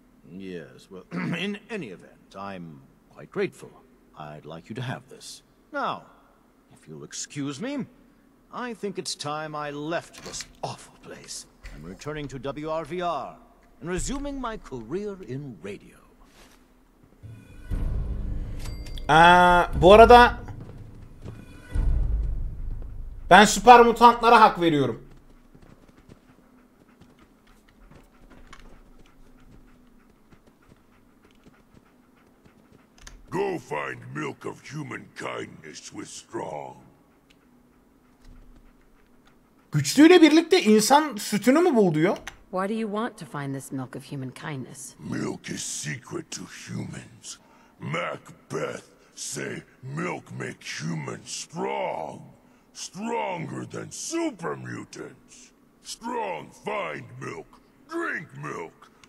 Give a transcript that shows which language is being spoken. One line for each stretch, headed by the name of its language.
English: Yes, well, in any event, I'm quite grateful. I'd like you to have this. Now, if you'll excuse me, I think it's time I left this awful place. I'm returning to WRVR and resuming my career in radio.
Turkish: Bu arada ben süper mutantlara hak veriyorum.
English: Go find milk of human kindness with Strong.
Turkish: Güçlüyle birlikte insan sütünü mü buldu ya?
English: Why do you want to find this milk of human kindness? Milk is secret to humans. Macbeth say milk make humans strong. Stronger than super mutants. Strong find milk. Drink milk.